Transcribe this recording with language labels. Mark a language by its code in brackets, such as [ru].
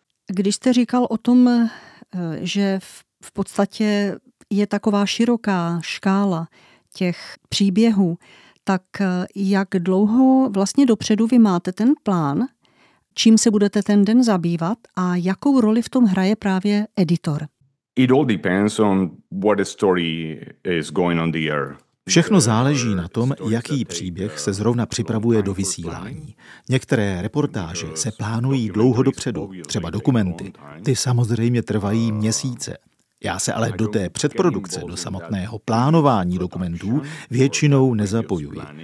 [cs] Když jste říkal o tom, že v podstatě je taková široká škála těch příběhů, tak jak dlouho vlastně dopředu vy máte ten plán, čím se budete ten den zabývat a jakou roli v tom hraje právě editor? [en] It all depends on what the story is going on the air. [cs] Všechno záleží na tom, jaký příběh se zrovna připravuje do vysílání. Některé reportáže se plánují dlouho dopředu, třeba dokumenty. Ty samozřejmě trvají měsíce. Já se ale do té předprodukce, do samotného plánování dokumentů, většinou nezapojuji.